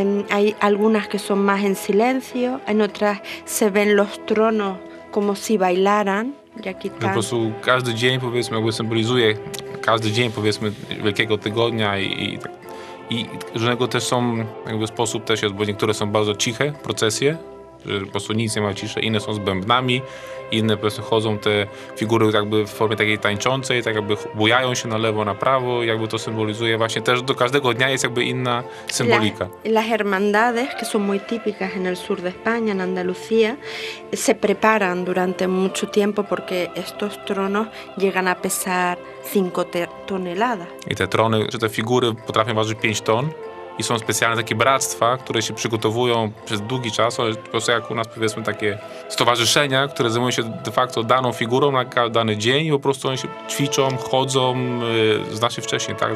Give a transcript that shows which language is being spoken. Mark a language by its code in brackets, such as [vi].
[es] Hay algunas que son más en silencio, en otras se ven los tronos como si bailaran. [pl] Po prostu każdy dzień, powiedzmy, jakby symbolizuje każdy dzień, powiedzmy, Wielkiego Tygodnia i różnego też są, jakby sposób też jest, bo niektóre są bardzo ciche procesje, że po prostu nic nie ma ciszy, inne są z bębnami, inne po prostu chodzą te figury jakby w formie takiej tańczącej, tak jakby bujają się na lewo, na prawo, jakby to symbolizuje właśnie też do każdego dnia jest jakby inna symbolika. [es] Las hermandades, que son muy típicas en el sur de España, en Andalucía, se preparan durante mucho tiempo porque estos tronos llegan a pesar 5 toneladas. [pl] I te trony, czy te figury potrafią ważyć 5 ton, i są specjalne takie bractwa, które się przygotowują przez długi czas, po prostu jak u nas powiedzmy takie stowarzyszenia, które zajmują się de facto daną figurą na dany dzień i po prostu oni się ćwiczą, chodzą znacznie wcześniej, tak?